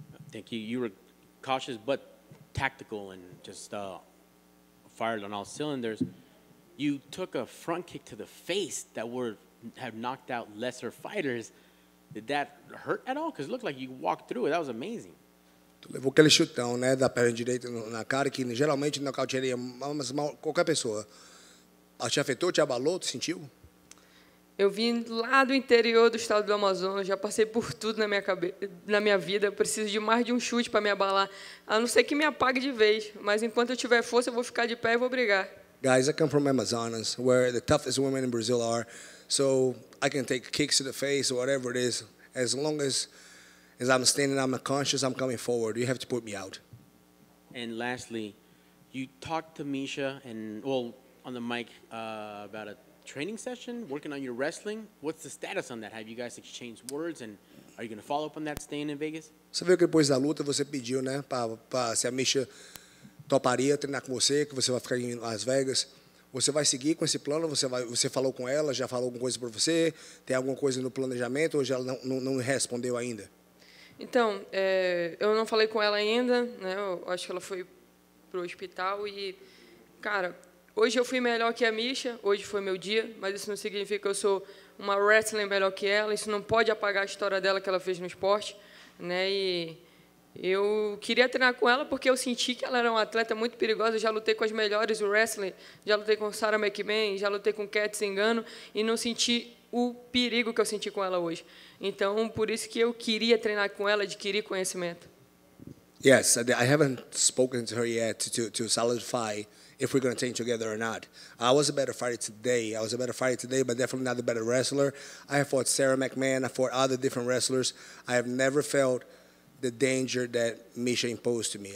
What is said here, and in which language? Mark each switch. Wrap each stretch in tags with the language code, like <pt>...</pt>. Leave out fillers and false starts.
<en>Thank you. You were cautious but tactical and just fired on all cylinders. You took a front kick to the face that have knocked out lesser fighters. Did that hurt at all? Because it looked like you walked through it. That was amazing.</en> <pt>Tu levou aquele chutão, né, da perna direita na cara, que geralmente nocauteia qualquer pessoa. Te afetou, te abalou, te sentiu? Eu vim lá do interior do estado do Amazonas, já passei por tudo na minha vida. Eu preciso de mais de um chute para me abalar, a não ser que me apague de vez. Mas enquanto eu tiver força, eu vou ficar de pé e vou brigar.</pt> <en>Guys, I come from Amazonas, where the toughest women in Brazil are. So I can take kicks to the face or whatever it is. As long as I'm standing, I'm conscious, I'm coming forward. You have to put me out. And lastly, you talked to Misha and well on the mic about a training session, working on your wrestling. What's the status on that? Have you guys exchanged words? And are you going to follow up on that staying in Vegas?</en> <pt>Você viu que depois da luta você pediu, né, para se a Misha toparia treinar com você, que você vai ficar em Las Vegas. Você vai seguir com esse plano? Você falou com ela? Já falou alguma coisa para você? Tem alguma coisa no planejamento? Ou já não respondeu ainda? Então, eu não falei com ela ainda, né? Eu acho que ela foi pro hospital e, cara, hoje eu fui melhor que a Misha, hoje foi meu dia, mas isso não significa que eu sou uma wrestler melhor que ela, isso não pode apagar a história dela que ela fez no esporte, né? E eu queria treinar com ela porque eu senti que ela era uma atleta muito perigosa. Eu já lutei com as melhores do wrestling, já lutei com Sarah McMahon, já lutei com Cat Zingano e não senti o perigo que eu senti com ela hoje. Então, por isso que eu queria treinar com ela, adquirir conhecimento.</pt> <en>Yes, I haven't spoken to her yet to solidify if we're going to train together or not. I was a better fighter today. I was a better fighter today, but definitely not a better wrestler. I have fought Sarah McMahon, I fought other different wrestlers. I have never felt the danger that Misha imposed to me.</en>